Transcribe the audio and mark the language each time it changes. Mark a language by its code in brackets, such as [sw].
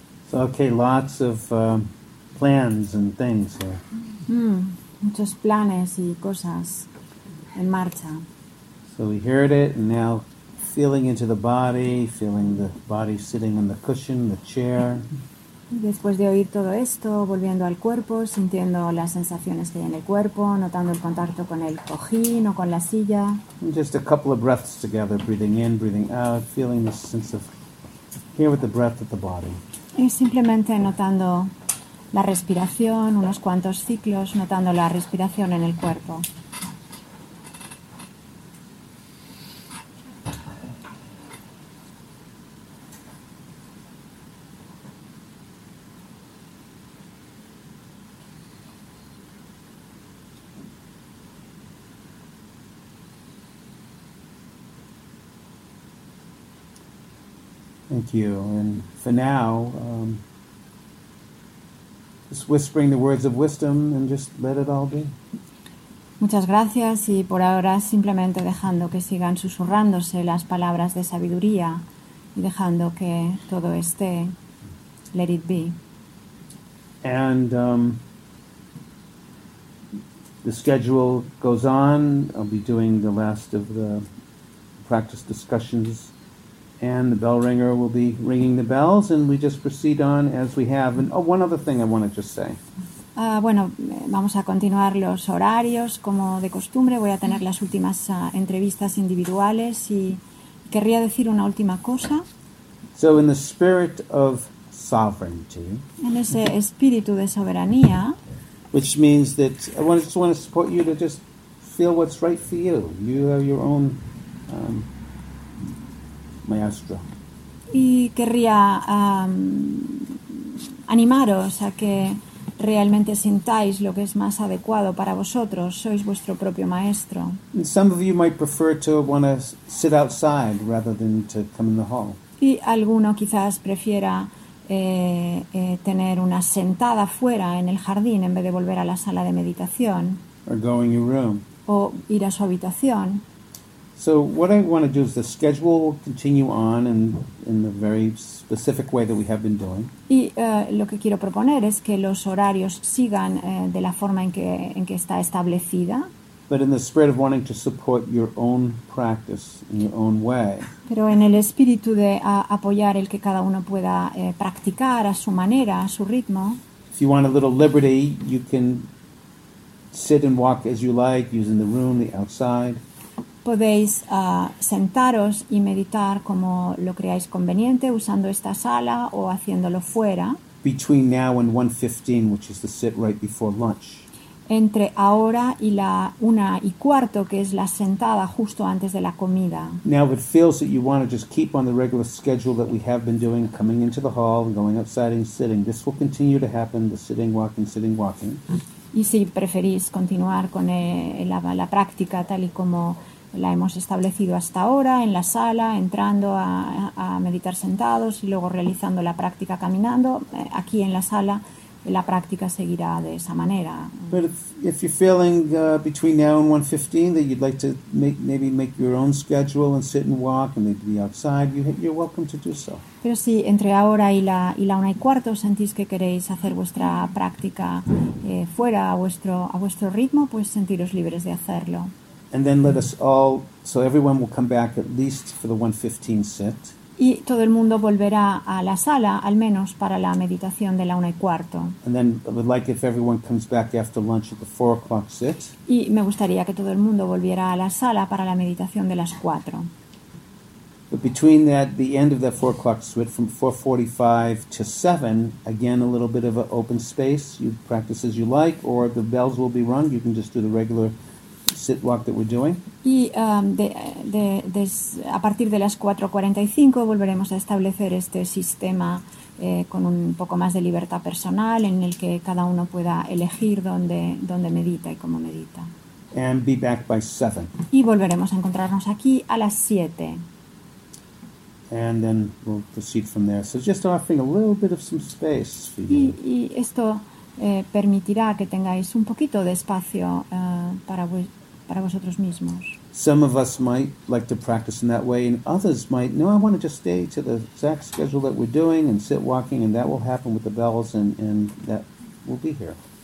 [en] So, okay, lots of plans and things here. [es] Muchos planes y cosas en marcha. [en] So we heard it, and now feeling into the body, feeling the body sitting on the cushion, the chair. [es] Después de oír todo esto, volviendo al cuerpo, sintiendo las sensaciones que hay en el cuerpo, notando el contacto con el cojín o con la silla. [en] And just a couple of breaths together, breathing in, breathing out, feeling the sense of here with the breath of the body. [es] Y simplemente notando la respiración, unos cuantos ciclos, notando la respiración en el cuerpo. [en] Thank you. And for now, just whispering the words of wisdom and just let it all be. [es] Muchas gracias, y por ahora simplemente dejando que sigan susurrándose las palabras de sabiduría y dejando que todo esté. [en] Let it be. And the schedule goes on. I'll be doing the last of the practice discussions. And the bell ringer will be ringing the bells, and we just proceed on as we have. And oh, one other thing I want to just say. [es] Bueno, vamos a continuar los horarios como de costumbre. Voy a tener las últimas entrevistas individuales, y querría decir una última cosa. [en] So, in the spirit of sovereignty. [es] En ese espíritu de soberanía. [en] Which means that I just want to support you to just feel what's right for you. You have your own. [es] Maestro. Y querría animaros a que realmente sintáis lo que es más adecuado para vosotros. Sois vuestro propio maestro. [en] Some of you might prefer to want to sit outside rather than to come in the hall. [es] Y alguno quizás prefiera tener una sentada fuera en el jardín en vez de volver a la sala de meditación. [en] Or go in your room. [es] O ir a su habitación. [en] So what I want to do is the schedule will continue on in the very specific way that we have been doing. [es] Y lo que quiero proponer es que los horarios sigan de la forma en que está establecida. [en] But in the spirit of wanting to support your own practice in your own way. [es] Pero en el espíritu de apoyar el que cada uno pueda practicar a su manera, a su ritmo. [en] If you want a little liberty, you can sit and walk as you like, using the room, the outside. [es] Podéis sentaros y meditar como lo creáis conveniente, usando esta sala o haciéndolo fuera. [en] Between now and 1:15, which is the sit right before lunch. [es] Entre ahora y la 1:15, que es la sentada justo antes de la comida. [en] Now it feels that you want to just keep on the regular schedule that we have been doing, coming into the hall and going outside and sitting. This will continue to happen, the sitting, walking, sitting, walking. [es] Y si preferís continuar con la práctica tal y como la hemos establecido hasta ahora, en la sala, entrando a meditar sentados y luego realizando la práctica caminando. Aquí en la sala la práctica seguirá de esa manera. [en] But if you're feeling between now and 1:15 that you'd like to maybe make your own schedule and sit and walk and maybe be outside, you're welcome to do so. [es] Pero si entre ahora y la 1:15 sentís que queréis hacer vuestra práctica fuera a vuestro ritmo, pues sentiros libres de hacerlo. [en] And then let us all, so everyone will come back at least for the 1:15 sit. [es] Y todo el mundo volverá a la sala, al menos para la meditación de la 1:15. [en] And then I would like if everyone comes back after lunch at the 4:00 sit. [es] Y me gustaría que todo el mundo volviera a la sala para la meditación de las 4:00. [en] But between that, the end of that 4:00 sit, from 4:45 to 7:00, again a little bit of an open space. You practice as you like, or the bells will be rung. You can just do the regular sit walk that we're doing. [es] Y a partir de las 4:45 volveremos a establecer este sistema con un poco más de libertad personal, en el que cada uno pueda elegir dónde medita y cómo medita. [en] And be back by 7:00. [es] Y volveremos a encontrarnos aquí a las 7:00. [en] And then we'll proceed from there. So just offering a little bit of some space for you. [es] Y esto permitirá que tengáis un poquito de espacio para vosotros mismos. [en] Some of us might like to practice in that way, and others might, no, I want to just stay to the exact schedule that we're doing and sit walking, and that will happen with the bells, and that will be here.